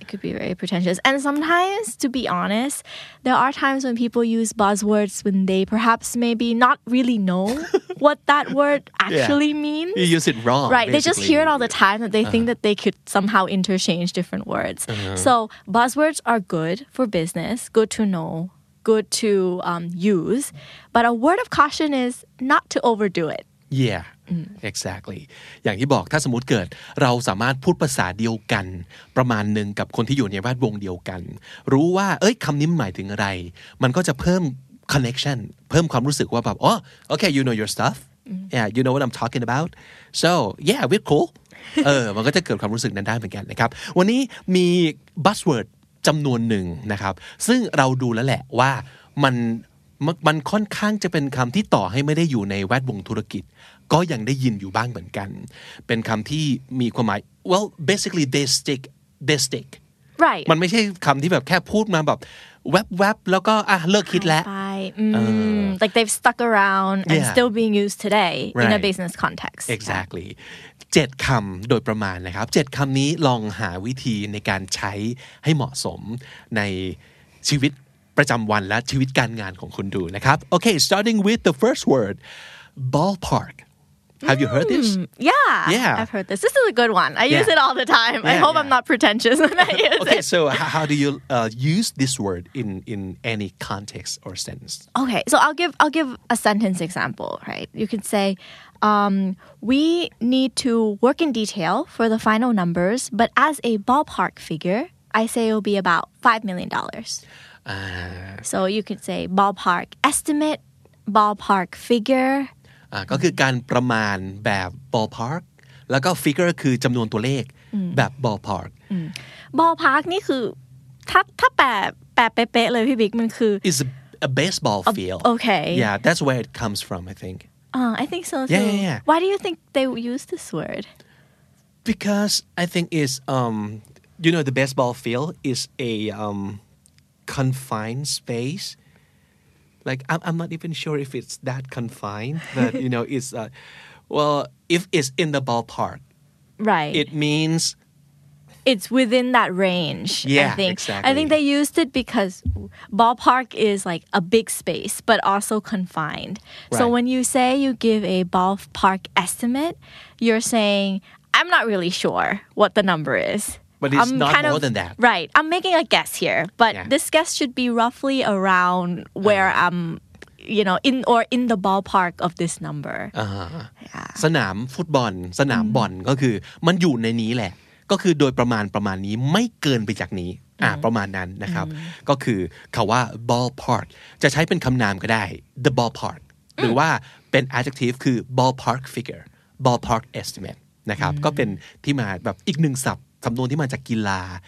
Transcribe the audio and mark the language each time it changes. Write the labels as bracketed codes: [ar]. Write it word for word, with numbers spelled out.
[en] It could be very pretentious. And sometimes, to be honest, there are times when people use buzzwords when they perhaps maybe not really know what that word actually yeah. means. You use it wrong. Right? Basically. They just hear it all the time that they uh-huh. think that they could somehow interchange different words. Uh-huh. So buzzwords are good for business. Good to know. Good to um, use, but a word of caution is not to overdo it. Yeah, exactly. [th] อย่างที่บอกถ้าสมมุติเกิดเราสามารถพูดภาษาเดียวกันประมาณนึงกับคนที่อยู่ในแวดวงเดียวกันรู้ว่าเอ้ยคำนี้หมายถึงอะไรมันก็จะเพิ่ม connection เพิ่มความรู้สึกว่าแบบอ๋อ [en] okay you know your stuff yeah you know what I'm talking about so yeah we're cool [th] เออมันก็จะเกิดความรู้สึกนั้นได้เหมือนกันนะครับวันนี้มี buzzwordจำนวนหนึ่งนะครับซึ่งเราดูแล้วแหละว่ามัน มันค่อนข้างจะเป็นคำที่ต่อให้ไม่ได้อยู่ในแวดวงธุรกิจก็ยังได้ยินอยู่บ้างเหมือนกันเป็นคำที่มีความหมาย [en] well basically they stick [th] they stick right มันไม่ใช่คำที่แบบแค่พูดมาแบบแวบๆแล้วก็อ่ะเลิกคิดแล้ว [en] like they've stuck around and yeah. still being used today right. in a business context [th] exactlyเจ็ดคำโดยประมาณนะครับเจ็ดคำนี้ลองหาวิธีในการใช้ให้เหมาะสมในชีวิต ประจำวันและชีวิตการงานของคุณดูนะครับ [en] Okay, starting with the first word, ballpark. Have you heard this? Mm, yeah, Yeah. I've heard this. This is a good one. I use Yeah. it all the time. I Yeah, hope yeah. I'm not pretentious when I use Okay, it. so h- how do you uh, use this word in, in any context or sentence? Okay, so I'll give I'll give a sentence example, right? You could say, um, we need to work in detail for the final numbers, but as a ballpark figure, I say it'll be about five million dollars. Uh, So you could say ballpark estimate, ballpark figure. [th] อ่าก็คือการประมาณแบบ ballpark แล้วก็ figure คือจำนวนตัวเลขแบบ ballpark Ballpark นี่คือถ้าถ้าแปลแปลเป๊ะๆเลยพี่บิ๊กมันคือ [en] is a, a baseball field okay. yeah that's where it comes from I think Uh, I think so too. Yeah, yeah, yeah. Why do you think they use this word? because I think is um you know the baseball field is a um confined space like I'm I'm not even sure if it's that confined but you know it's uh, well if it's in the ballpark Right. it means It's within that range. Yeah, I think. I exactly. think they used it because ballpark is like a big space, but also confined. So Right. when you say you give a ballpark estimate, you're saying I'm not really sure what the number is. But it's I'm not kind more of- than that. Right. I'm making a guess here, but Yeah. this guess should be roughly around where I'm, you know, in or in the ballpark of this number. [th] อ่าฮะสนามฟุตบอล สนามบอลก็คือมันอยู่ในนี้แหละ ก็คือโดยประมาณประมาณนี้ไม่เกินไปจากนี้อ่าประมาณนั้นนะครับ ก็คือคำว่า ballpark จะใช้เป็นคำนามก็ได้ the ballpark หรือว่าเป็น adjective คือ ballpark figure ballpark estimate นะครับก็เป็นที่มาแบบอีกหนึ่งศัพท์สำนวนที่มาจากกีฬา